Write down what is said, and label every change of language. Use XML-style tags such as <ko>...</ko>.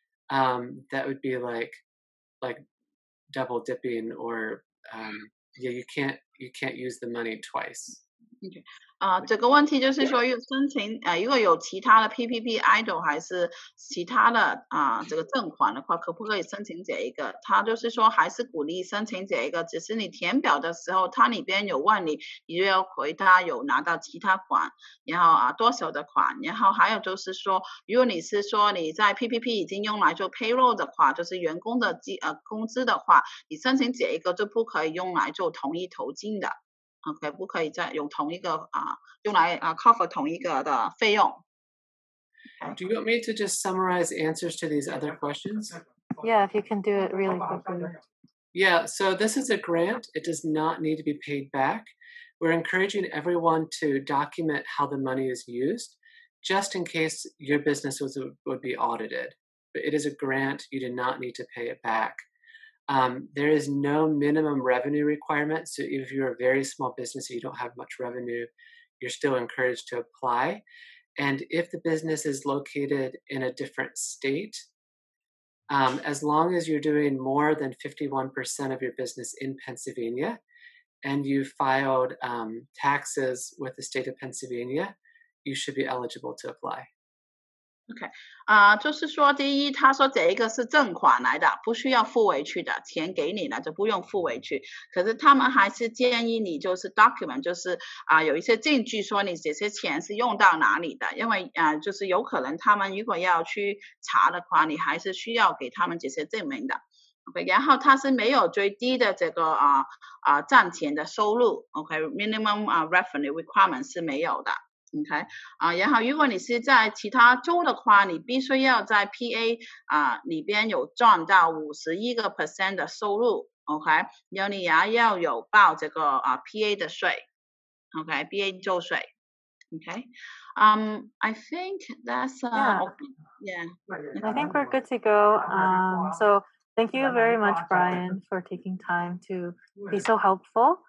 <en>That would be like double dipping or you can't use the money twice. Okay.</en> <zh>这个问题就是说有申请如果有其他的 PPP EIDL 还是其他的这个赠款的话可不可以申请这一个他就是说还是鼓励申请这一个只是你填表的时候他里边有问你你就要回答有拿到其他款然后多少的款然后还有就是说如果你是说你在 PPP 已经用来做 payroll 的话就是员工的工资的话你申请这一个就不可以用来做同一投进的。 Okay, 不可以再用同一个用来cover 同一个的费用。</zh> <en>Do you want me to just summarize answers to these other questions? Yeah, if you can do it really quickly. Yeah, so this is a grant. It does not need to be paid back. We're encouraging everyone to document how the money is used, just in case your business would be audited. But it is a grant. You do not need to pay it back. There is no minimum revenue requirement. So if you're a very small business, you don't have much revenue, you're still encouraged to apply. And if the business is located in a different state, as long as you're doing more than 51% of your business in Pennsylvania, and you filed taxes with the state of Pennsylvania, you should be eligible to apply.</en> <zh>Okay, 就是说第一，他说这个是正款来的，不需要付回去的，钱给你了就不用付回去。可是他们还是建议你就是 document, 就是有一些证据说你这些钱是用到哪里的，因为就是有可能他们如果要去查的话，你还是需要给他们这些证明的。 Okay, 然后他是没有最低的这个暂停的收入 ,okay,</zh> <en>minimum revenue requirement</en> <zh>是没有的。 Okay, 然后如果你是在其他州的话，你必须要在 PA 里边有赚到 51% 的收入 ,okay, 然后你也要有报这个PA 的税 ,okay, PA 州税 ,okay,</zh> <en>I think that's, I think we're good to go, so thank you very much, Brian, for taking time to be so helpful.</en>